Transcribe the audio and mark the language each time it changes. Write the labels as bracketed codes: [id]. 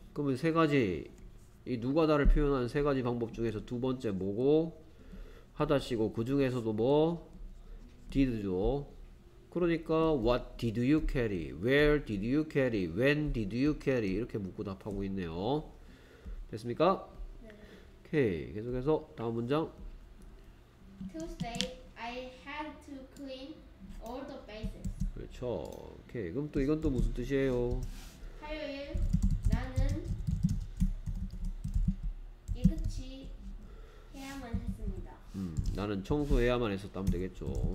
[ko] 그러면 세 가지 이 누가 다를 표현하는 세 가지 방법 중에서 두 번째 뭐고 하다 쉬고 그 중에서도 뭐 did죠. [en] 그러니까 what did you carry? where did you carry? when did you carry? [ko] 이렇게 묻고 답하고 있네요. 됐습니까? 네. 오케이. 계속해서 다음 문장. [en] Tuesday I had to clean all the bases. [ko] 그렇죠. 오케이. 그럼 또 이건 또 무슨 뜻이에요? 화요일 나는 깨끗이 해야만 했습니다. 나는 청소해야만 했었다면 되겠죠.